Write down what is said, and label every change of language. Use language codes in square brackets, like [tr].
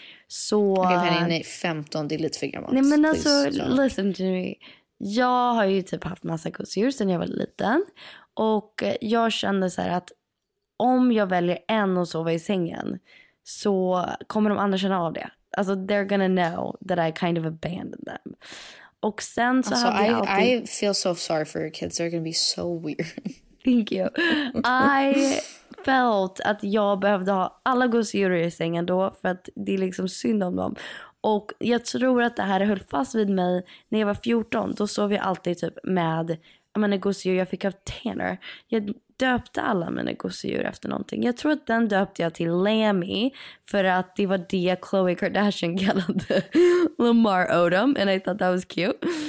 [sv] Så... Okej, okay, nej, 15, det är lite för gammalt. Nej, men alltså, [en] listen to me. [sv] Jag har ju typ haft massa gosedjur sedan jag var liten. Och jag kände så här att om jag väljer en att sova i sängen så kommer de andra känna av det. Alltså, [en] they're gonna know that I kind of abandoned them. [sv] Och sen så alltså, hade jag alltid... [en] I feel so sorry for your kids. They're gonna be so weird. Thank you. I felt [sv] att jag behövde ha alla gosedjur i sängen då, för att det är liksom synd om dem. Och jag tror att det här höll fast vid mig när jag var 14. Då sov jag alltid typ med... Jag menar, gosedjur jag fick av Tanner. Jag döpte alla mina gosedjur efter någonting. Jag tror att den döpte jag till Lammy, för att det var det Khloe Kardashian kallade Lamar Odom, [en] and I thought that was cute.